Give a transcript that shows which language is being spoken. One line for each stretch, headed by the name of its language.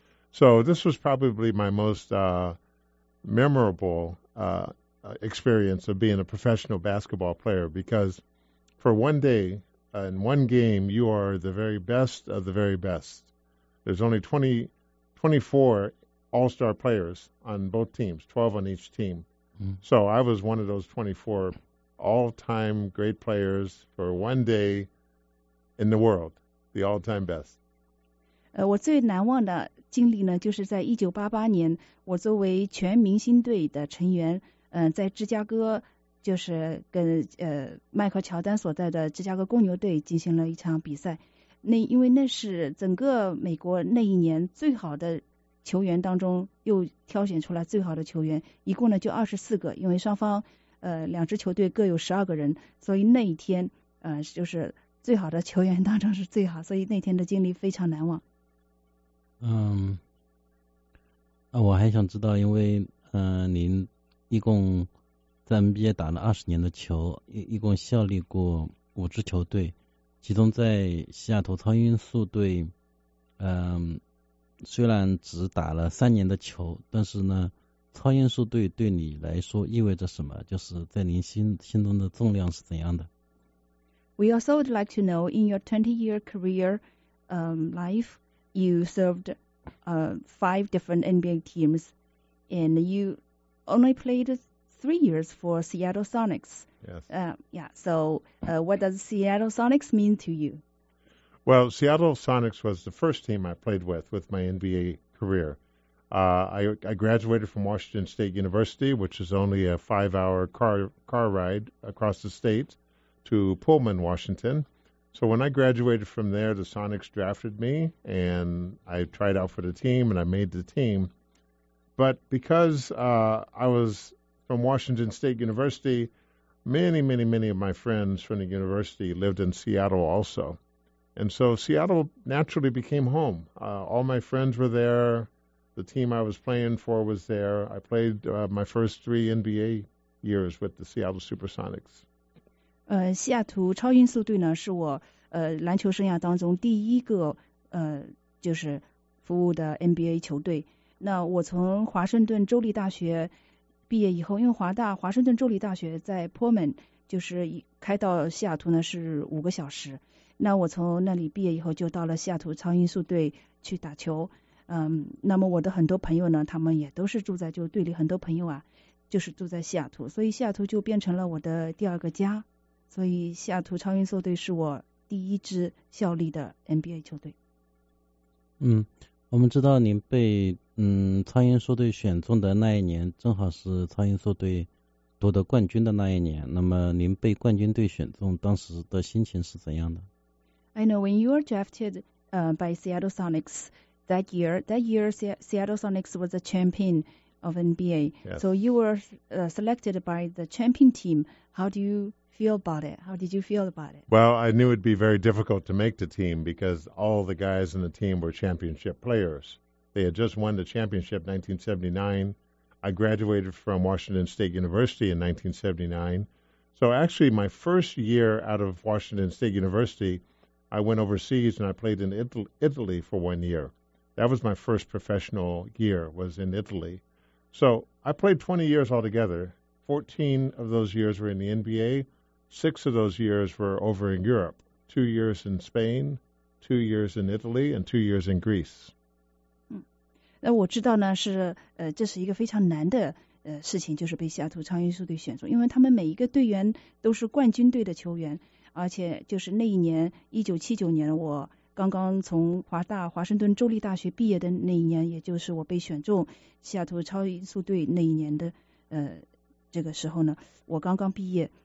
English: So this was probably my most memorable experience of being a professional basketball player, because for one day and one game, you are the very best of the very best. There's only 24 all-star players on both teams, 12 on each team. Mm-hmm. So I was one of those 24 all-time great players for one day in the world, the all-time best.
Chinese: 我最难忘的经历呢，就是在1988年，我作为全明星队的成员，在芝加哥就是跟迈克乔丹所在的芝加哥公牛队进行了一场比赛。那因为那是整个美国那一年最好的球员当中又挑选出来最好的球员，一共呢就24个，因为双方两支球队各有12个人，所以那一天就是最好的球员当中是最好，所以那天的经历非常难忘。我还想知道，因为您一共在 NBA 打了20年的球，一共效力过5支球队，其中在西雅图超音速队，虽然只打了3年的球，但是呢，超音速队对你来说意味着什么？就是在您心中的重量是怎样的
English: ？We also would like to know in your 20-year career, life, you served, five different NBA teams, and you only played 3 years for Seattle Sonics. Yes. What does Seattle Sonics mean to you? Well, Seattle Sonics was the first team I played with my NBA career. I graduated from Washington State University, which is only a 5-hour car ride across the state to Pullman, Washington. So when I graduated from there, the Sonics drafted me, and I tried out for the team, and I made the team. But because I was from Washington State University, many, many, many of my friends from the university lived in Seattle also. And so Seattle naturally became home. All my friends were there. The team I was playing for was there. I played my first 3 NBA years with the Seattle Supersonics.
Chinese: 西雅图超音速队呢，是我篮球生涯当中第一个就是服务的 NBA 球队。那我从华盛顿州立大学毕业以后，因为华盛顿州立大学在 Pullman 就是开到西雅图呢是5个小时。那我从那里毕业以后，就到了西雅图超音速队去打球。那么我的很多朋友呢，他们也都是住在就队里很多朋友啊，就是住在西雅图，所以西雅图就变成了我的第二个家。所以西雅图超音速队是我第一支效力的 NBA 球队。我们知道您被超音速队选中的那一年，正好是超音速队夺得冠军的那一年。那么您被冠军队选中，当时的心情是怎样的
English: ？I know when you are drafted, by Seattle Sonics that year. That year, Seattle Sonics was the champion of NBA. Yes. So you were selected by the champion team. How do you feel about it? How did you feel about it? Well, I knew it'd be very difficult to make the team because all the guys in the team were championship players. They had just won the championship in 1979. I graduated from Washington State University in 1979. So actually, my first year out of Washington State University, I went overseas and I played in Italy for 1 year. That was my first professional year, was in Italy. So I played 20 years altogether. 14 of those years were in the NBA. 6 of those years were over in Europe, 2 years in Spain, 2 years in Italy, and 2 years in Greece.
Chinese: 那我知道呢，是这是一个非常难的事情，就是被西雅图超音速队选中，因为他们每一个队员都是冠军队的球员，而且就是那一年1979年，我刚刚从华盛顿州立大学毕业的那一年，也就是我被选中西雅图超音速队那一年的这个时候呢，我刚刚毕业。